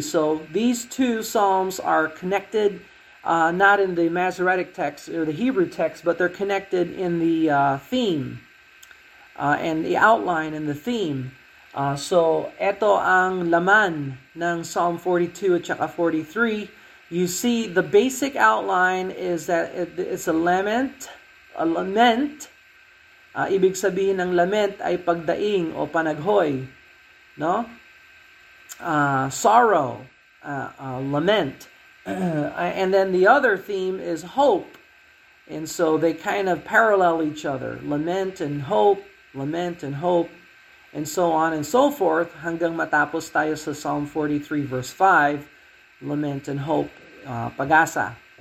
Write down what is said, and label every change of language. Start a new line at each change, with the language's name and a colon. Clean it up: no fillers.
English: So these two psalms are connected. Not in the Masoretic text or the Hebrew text, but they're connected in the theme and the outline and the theme.
Filipino: So, eto ang laman ng Psalm 42 at chaka 43.
English: You see, the basic outline is that it's a lament.
Filipino: Ibig sabihin ng lament ay pagdaing o panaghoy, no?
English: Sorrow, lament. And then the other theme is hope. And so they kind of parallel each other. Lament and hope, lament and hope, and so on and so forth.
Filipino: Hanggang matapos tayo sa Psalm 43 verse 5,
English: lament and hope,
Filipino: pag-asa.